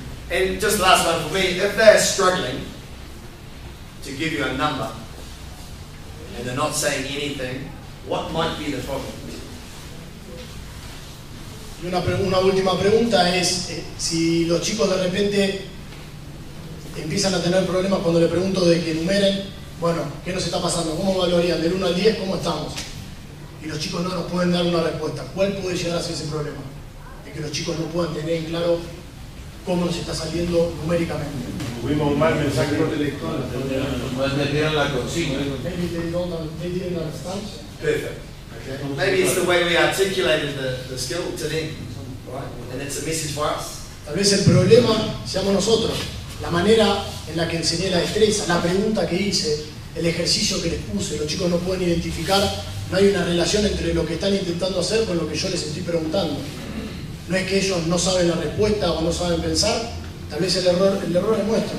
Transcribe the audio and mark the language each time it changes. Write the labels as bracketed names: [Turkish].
[English] And just last one for me, if they're struggling to give you a number and they're not saying anything, what might be the problem? [Spanish] Y una última pregunta es, si los chicos de repente empiezan a tener problemas cuando le pregunto de que enumeren, bueno, ¿qué nos está pasando? ¿Cómo valorían? Del 1 al 10, ¿cómo estamos? Y los chicos no nos pueden dar una respuesta. ¿Cuál puede llegar a ser ese problema? De que los chicos no puedan tener en claro cómo nos está saliendo numéricamente. Tuvimos un mal mensaje por teléfono. Me dieron la consigna. [English] Maybe they don't understand. Perfect. Okay. Maybe it's the way we articulated the skill to them. Right? And it's a message for us. [Spanish] Tal vez el problema seamos nosotros. La manera en la que enseñé la destreza, la pregunta que hice, el ejercicio que les puse, los chicos no pueden identificar. No hay una relación entre lo que están intentando hacer con lo que yo les estoy preguntando. No es que ellos no saben la respuesta o no saben pensar. Tal vez el error es nuestro.